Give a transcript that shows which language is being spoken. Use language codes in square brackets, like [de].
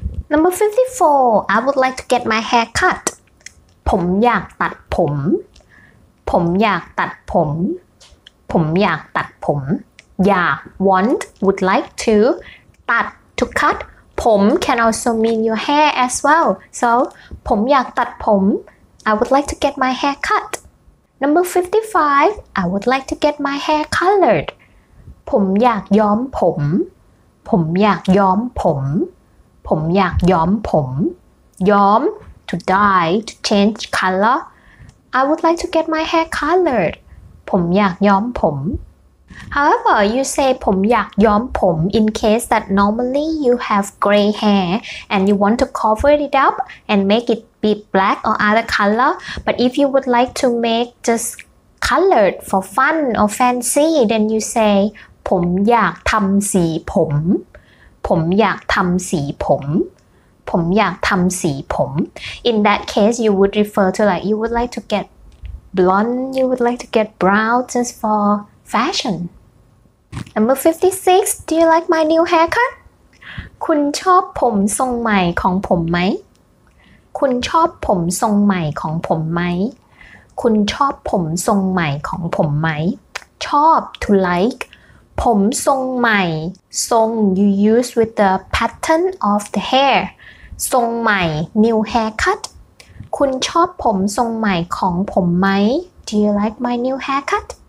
[en] Number 54, I would like to get my hair cut. [th] ผมอยากตัดผม ผมอยากตัดผม ผมอยากตัดผม อยาก [en] want, would like to, ตัด to cut. ผม can also mean your hair as well. So, [th] ผมอยากตัดผม [en] I would like to get my hair cut. Number 55, I would like to get my hair colored. [th] ผมอยากย้อมผม ผมอยากย้อมผมผมอยากย้อมผมย้อม [en] to dye to change color I would like to get my hair colored. [th] ผมอยากย้อมผม [en] However, you say [th] ผมอยากย้อมผม [en] in case that normally you have gray hair and you want to cover it up and make it be black or other color. But if you would like to make just colored for fun or fancy, then you say [th] ผมอยากทำสีผมผมอยากทำสีผมผมอยากทำสีผม [en] In that case, you would refer to like you would like to get blonde, you would like to get brown just for fashion. Number 56, do you like my new haircut? [th] คุณชอบผมทรงใหม่ของผมไหมคุณชอบผมทรงใหม่ของผมไหมคุณชอบผมทรงใหม่ของผมไหมชอบ to like ผมทรงใหม่ทรง [en] you use with the pattern of the hair [th] ทรงใหม่ [en] new haircut [th] คุณชอบผมทรงใหม่ของผมไหม [en] do you like my new haircut